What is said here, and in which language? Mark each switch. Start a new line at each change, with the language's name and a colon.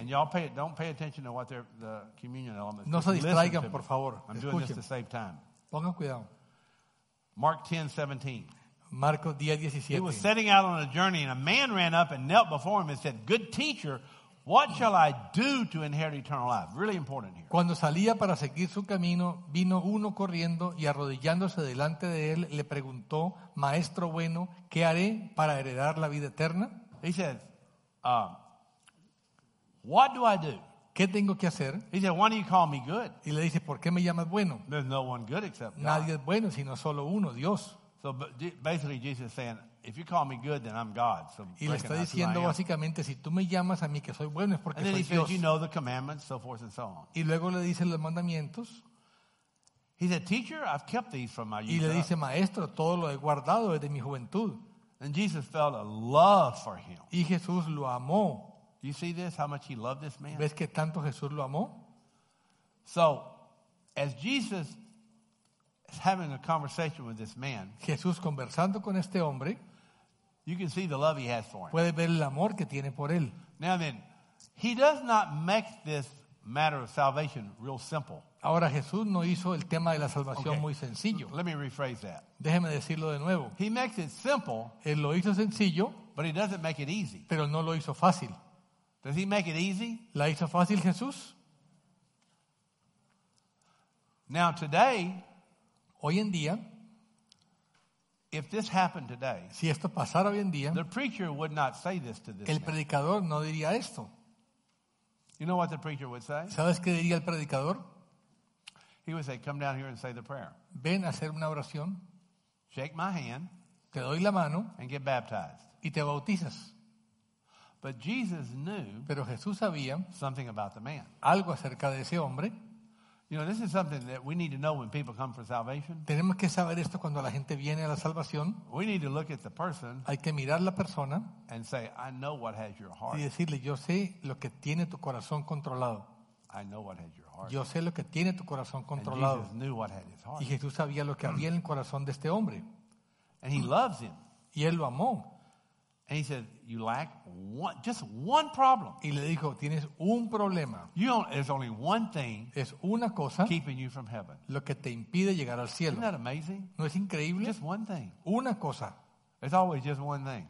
English: And y'all don't pay attention to what the communion elements.
Spanish: No se distraigan, por favor.
English: I'm doing this to save time.
Spanish: Pongan cuidado.
English: Mark 10, 17.
Spanish: Marcos 10:17.
English: He was setting out on a journey, and a man ran up and knelt before him and said, "Good teacher, what shall I do to inherit eternal life?" Really important here.
Spanish: Cuando salía para seguir su camino, vino uno corriendo y arrodillándose delante de él, le preguntó, "Maestro bueno, ¿qué haré para heredar la vida eterna?"
English: He said, "What do I do?"
Spanish: ¿Qué tengo que hacer?
English: He said, "Why do you call me good?"
Spanish: Y le dice, "¿Por qué me llamas bueno?"
English: There's no one good except God.
Spanish: Nadie es bueno, sino solo uno, Dios.
English: So basically Jesus is saying, if you call me good, then I'm God. So
Spanish: y le está diciendo básicamente, si tú me llamas a mí que soy bueno, es porque soy Dios.
English: And then he says, you know the commandments, so forth and so on.
Spanish: Y luego le dice los mandamientos.
English: He said, teacher, I've kept these from my youth.
Spanish: Y le dice, maestro, todo lo he guardado desde mi juventud.
English: And Jesus felt a love for him.
Spanish: Y Jesús lo amó.
English: You see this, how much he loved this man?
Spanish: ¿Ves que tanto Jesús lo amó?
English: So, as Jesus is having a conversation with this man,
Spanish: Jesús conversando con este hombre,
English: you can see the love he has for him.
Spanish: Puede ver el amor que tiene por él.
English: Now then, he does not make this matter of salvation real simple.
Spanish: Ahora Jesús no hizo el tema de la salvación muy sencillo.
English: Let me rephrase that.
Spanish: Déjeme decirlo de nuevo.
English: He makes it simple.
Spanish: Él lo hizo sencillo,
English: but he doesn't make it easy.
Spanish: Pero no lo hizo fácil.
English: Does he make it easy?
Spanish: ¿La hizo fácil Jesús?
English: Now today,
Spanish: hoy en día,
English: if this happened today,
Spanish: si esto pasara hoy en día,
English: the preacher would not say this to this
Spanish: el predicador
English: man.
Spanish: No diría esto.
English: You know what the preacher would say?
Spanish: ¿Sabes qué diría el predicador?
English: He would say, "Come down here and say the prayer."
Spanish: Ven a hacer una oración.
English: Shake my hand.
Spanish: Te doy la mano.
English: And get baptized.
Spanish: Y te bautizas.
English: But Jesus knew.
Spanish: Pero Jesús sabía
English: something about the man.
Spanish: Algo acerca de ese hombre.
English: You know, this is something that we need to know when people come for salvation.
Spanish: Tenemos que saber esto cuando la gente viene a la salvación.
English: We need to look at the person.
Spanish: Hay que mirar la persona.
English: And say, "I know what has your heart."
Spanish: Y decirle, yo sé lo que tiene tu corazón controlado.
English: I know what has your heart.
Spanish: Yo sé lo que tiene tu corazón controlado.
English: And Jesus knew what had his heart.
Spanish: Y Jesús sabía lo que había en el corazón de este hombre.
English: And he loves him.
Spanish: Y él lo amó.
English: And he said, "You lack one, just one problem."
Spanish: Y le dijo, tienes un problema.
English: You don't, there's only one thing.
Spanish: Es una cosa.
English: Keeping you from heaven.
Spanish: Lo que te impide llegar al cielo.
English: Isn't that amazing?
Spanish: ¿No es increíble?
English: Just one thing.
Spanish: Una cosa.
English: It's always just one thing.